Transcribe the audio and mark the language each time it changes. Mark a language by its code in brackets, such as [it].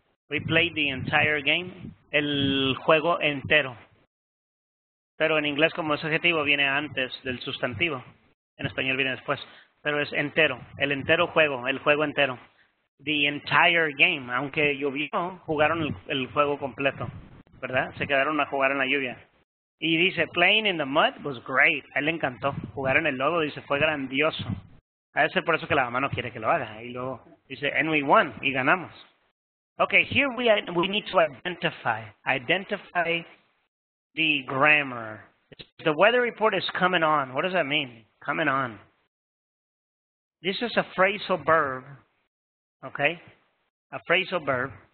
[en] We played the entire game. [es] El juego entero. Pero en inglés, como es adjetivo, viene antes del sustantivo. En español viene después. Pero es entero. El entero juego. El juego entero. [en] The entire game. [es] Aunque llovió, jugaron el juego completo. ¿Verdad? Se quedaron a jugar en la lluvia. Y dice, [en] playing in the mud was great. [es] A él le encantó jugar en el lodo. Dice, fue grandioso. A veces por eso que la mamá no quiere que lo haga. Y luego dice, [en] and we won. [es] Y ganamos. [en] Okay, here we need to identify. Identify the grammar. The weather report is coming on. What does that mean? Coming on. This is a phrasal verb. Okay? A phrasal verb.